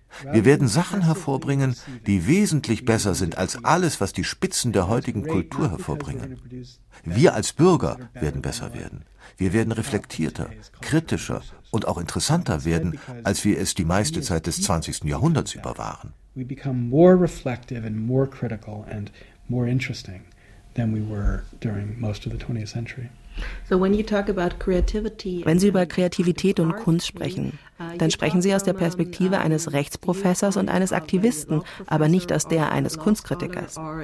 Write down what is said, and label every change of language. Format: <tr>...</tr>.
<de>Wir werden Sachen hervorbringen, die wesentlich besser sind als alles, was die Spitzen der heutigen Kultur hervorbringen. Wir als Bürger werden besser werden. Wir werden reflektierter, kritischer und auch interessanter werden, als wir es die meiste Zeit des 20. Jahrhunderts über waren.</de> <en>We become more reflective and more critical and more interesting than we were during most of the 20th century.</en> <de>Wenn Sie über Kreativität und Kunst sprechen, dann sprechen Sie aus der Perspektive eines Rechtsprofessors und eines Aktivisten, aber nicht aus der eines Kunstkritikers.</de>